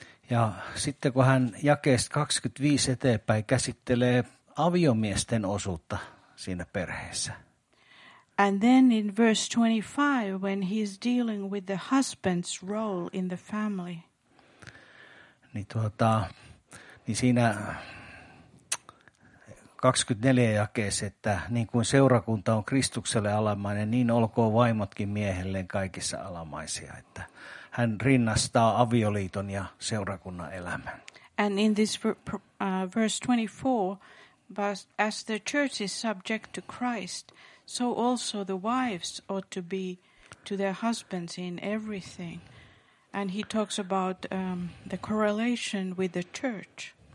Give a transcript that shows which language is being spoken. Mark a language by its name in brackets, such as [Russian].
[Finnish] Ja sitten kun hän jakeesta 25 eteenpäin käsittelee aviomiesten osuutta siinä perheessä. [English] And then in verse 25 when he's dealing with the husband's role in the family. [Finnish] Niin siinä 24 jakeessa, että niin kuin seurakunta on Kristukselle alamainen, niin olkoon vaimotkin miehelleen kaikissa alamaisia, että hän rinnastaa avioliiton ja seurakunnan elämän. [English] And in this verse 24, as the church is subject to Christ, so also the wives ought to be to their husbands in everything. And he talks about the correlation with the church.